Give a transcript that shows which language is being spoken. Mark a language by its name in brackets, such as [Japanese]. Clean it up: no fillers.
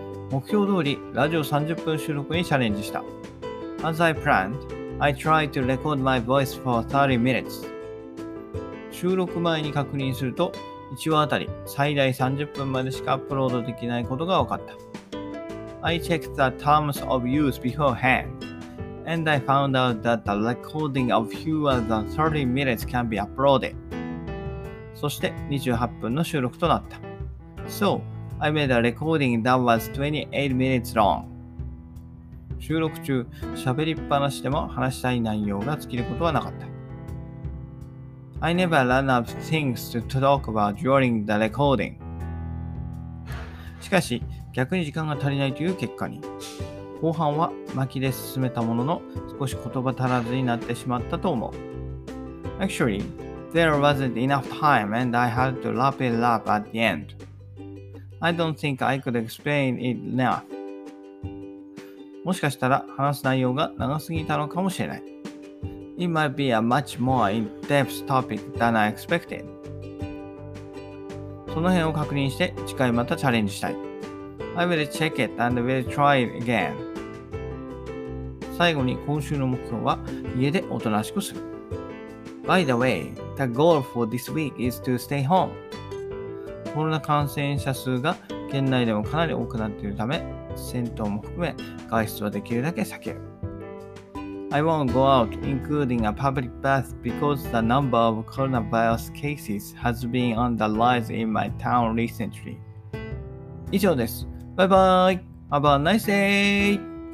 [Japanese] 目標通りラジオ30分収録にチャレンジした。 [English] As I planned, I tried to record my voice for 30 minutes。 [Japanese] 収録前に確認すると1話あたり最大30分までしかアップロードできないことが分かった。 [English] I checked the terms of use beforehand, and I found out that the recording of fewer than 30 minutes can be uploaded. [Japanese] そして28分の収録となった。 [English] So, I made a recording that was 28 minutes long. [Japanese] 収録中、喋りっぱなしでも話したい内容が尽きることはなかった。 [English] I never ran out of things to talk about during the recording. [Japanese] しかし、逆に時間が足りないという結果に。後半は巻きで進めたものの少し言葉足らずになってしまったと思う。 [English] Actually, there wasn't enough time and I had to wrap it up at the end. I don't think I could explain it enough. [Japanese] もしかしたら話す内容が長すぎたのかもしれない。 [English] It might be a much more in-depth topic than I expected. [Japanese] その辺を確認して次回またチャレンジしたい。 [English] I will check it and will try it again. [Japanese] 最後に今週の目標は家でおとなしくする。 [English] By the way, the goal for this week is to stay home. [Japanese] コロナ感染者数が県内でもかなり多くなっているため、銭湯も含め外出はできるだけ避ける。 [English] I won't go out including a public bath because the number of coronavirus cases has been on the rise in my town recently. [Japanese] 以上です。バイバイ。 [English] Have a nice day.